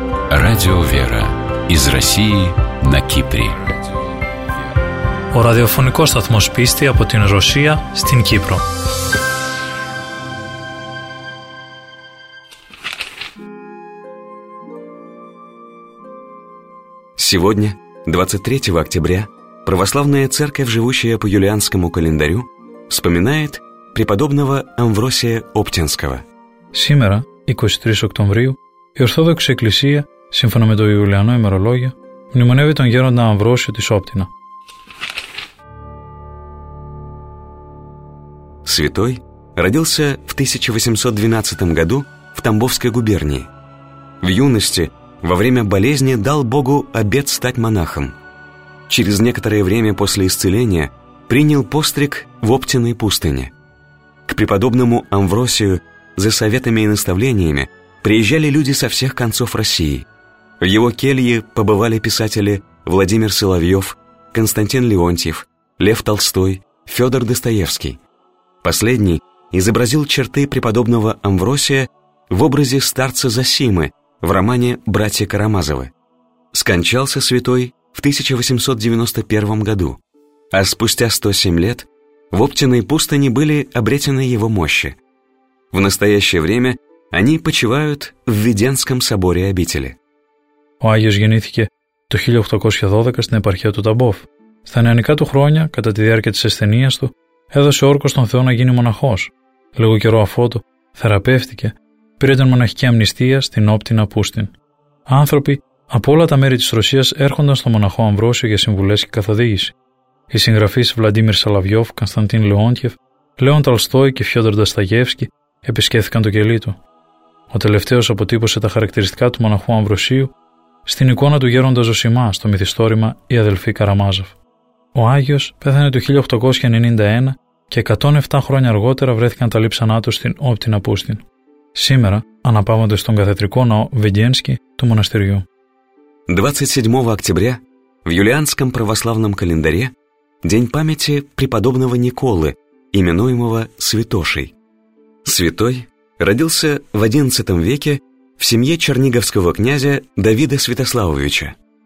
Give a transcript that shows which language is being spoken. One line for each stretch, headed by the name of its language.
Russian: Радио «Вера» из России на Кипре.
Greek: Ο ραδιοφωνικός σταθμός πίστη από την Ρωσία στην Κύπρο.
Russian: Сегодня, 23 октября, православная церковь, живущая по юлианскому календарю, вспоминает преподобного Амвросия Оптинского. Сегодня, 23 октября,
Greek: η Ορθόδοξη Εκκλησία, σύμφωνα με το Ιουλιανό ημερολόγιο, μνημονεύει τον γέροντα Αμβρόσιο της Όπτινα.
Russian: Святой родился в 1812 году в Тамбовской губернии. В юности, во время болезни, дал Богу обет стать монахом. Через некоторое время после исцеления принял постриг в Оптиной пустыне. К преподобному Амвросию за советами и наставлениями приезжали люди со всех концов России. В его келье побывали писатели Владимир Соловьев, Константин Леонтьев, Лев Толстой, Федор Достоевский. Последний изобразил черты преподобного Амвросия в образе старца Зосимы в романе «Братья Карамазовы». Скончался святой в 1891 году, а спустя 107 лет в Оптиной пустыне были обретены его мощи. В настоящее время они почивают в Веденском соборе обители.
Greek: Ο Άγιος γεννήθηκε το 1812 στην επαρχία του Ταμπόφ. Στα νεανικά του χρόνια, κατά τη διάρκεια της ασθενείας του, έδωσε όρκο στον Θεό να γίνει μοναχός. Λίγο καιρό αφότου, θεραπεύτηκε, πήρε την μοναχική αμνηστία στην Όπτινα Πούστην. Άνθρωποι από όλα τα μέρη της Ρωσίας έρχονταν στο μοναχό Αμβρόσιο για συμβουλές και καθοδήγηση. Οι συγγραφείς Βλαντίμιρ Σαλαβιόφ, Κωνσταντίν Λεόντιεφ, Λέων Ταλστόι και Φιόντορ Νταστογεύσκι επισκέφθηκαν το κελί του. Ο τελευταίος αποτύπωσε τα χαρακτηριστικά του μοναχού Αμβροσίου στην εικόνα του γέροντα Ζωσιμά στο μυθιστόρημα «Η αδελφή Καραμάζοφ». Ο Άγιος πέθανε το 1891 και 107 χρόνια αργότερα βρέθηκαν τα λείψανά του στην Όπτινα Πούστην. Σήμερα αναπαύονται στον καθεδρικό ναό Βεντιένσκι του μοναστηριού.
Russian: 27 октября в юлианском православном календаре день памяти преподобного Николы, именуемого Святошей. Святой родился в 11 веке в семье черниговского князя Давида Святославовича.